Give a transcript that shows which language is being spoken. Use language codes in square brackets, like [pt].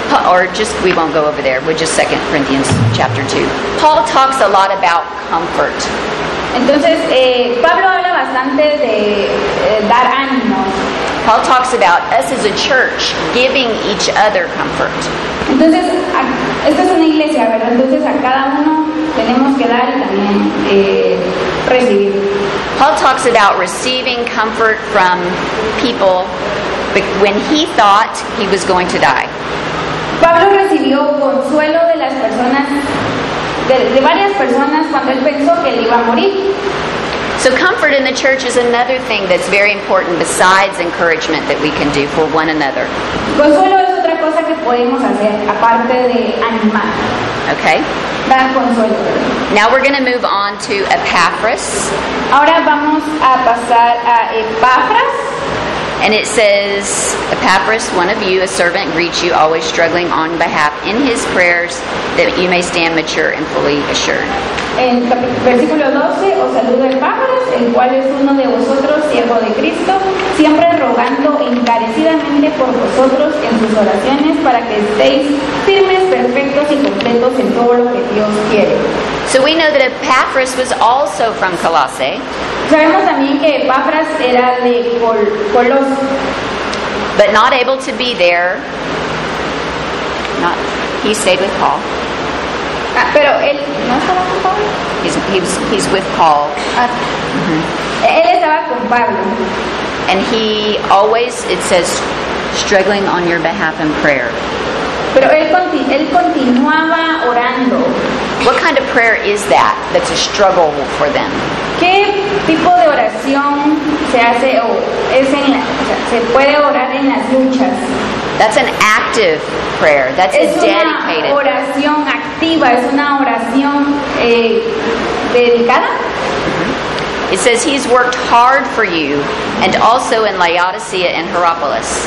[en] or just, we won't go over there, we're just 2 Corinthians chapter 2. Paul talks a lot about comfort. [es] Entonces, Pablo habla bastante de dar ánimo. [en] Paul talks about us as a church giving each other comfort. [es] Entonces, esta es una iglesia, ¿verdad? Entonces, a cada uno tenemos que dar y también recibir. [en] Paul talks about receiving comfort from people when he thought he was going to die. [es] Pablo recibió consuelo de las personas, de varias personas, cuando él pensó que él iba a morir. [en] So comfort in the church is another thing that's very important besides encouragement that we can do for one another. [es] Consuelo es otra cosa que podemos hacer aparte de animar. [en] Okay. [es] Dar consuelo. [en] Now we're going to move on to Epaphras. [es] Ahora vamos a pasar a Epaphras. [en] And it says, Epaphras, one of you, a servant, greets you, always struggling on behalf in his prayers that you may stand mature and fully assured. [es] En versículo 12, os saluda Epaphras, el cual es uno de vosotros, siervo de Cristo, siempre rogando encarecidamente por vosotros en sus oraciones para que estéis firmes, perfectos y completos en todo lo que Dios quiere. [en] So we know that Epaphras was also from Colossae. [es] Sabemos también que Epaphras era de Colosas. [en] But not able to be there. Not, he stayed with Paul. [es] Pero él no estaba con Pablo. [en] He's with Paul. [es] Mm-hmm. Él estaba con Pablo. [en] And he always, it says, struggling on your behalf in prayer. [es] Pero él continuaba orando. [en] What kind of prayer is that? That's a struggle for them. [es] ¿Qué tipo de oración se hace o es en la, se puede orar en las luchas? [en] That's an active prayer. That's [es] es [en] a dedicated. [es] Es una oración activa. Es una oración dedicada. [en] It says he's worked hard for you, and also in Laodicea and Hierapolis.